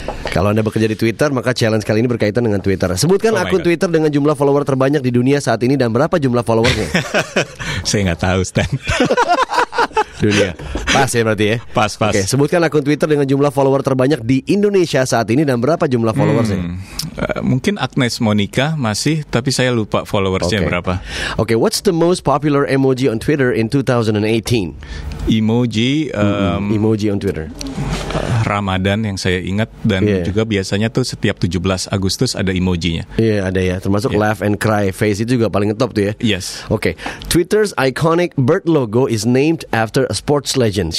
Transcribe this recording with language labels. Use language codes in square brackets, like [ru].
[id] Kalau Anda bekerja di Twitter, maka challenge kali ini berkaitan dengan Twitter. Sebutkan akun Twitter dengan jumlah follower terbanyak di dunia saat ini dan berapa jumlah followernya. Saya nggak tahu, Stan. Dunia. Pas ya berarti ya. Pas. Oke, sebutkan akun Twitter dengan jumlah follower terbanyak di Indonesia saat ini dan berapa jumlah followersnya. Mungkin Agnes Monica masih, tapi saya lupa followersnya berapa. [en] Oke, what's the most popular emoji on Twitter in 2018? Emoji on Twitter. [id] Ramadan yang saya ingat dan juga biasanya tuh setiap 17 Agustus ada emojinya. Iya, ada ya. Termasuk laugh and cry face itu juga paling top tuh ya. [en] Yes. Oke. Okay. Twitter's iconic bird logo is named after a sports legend.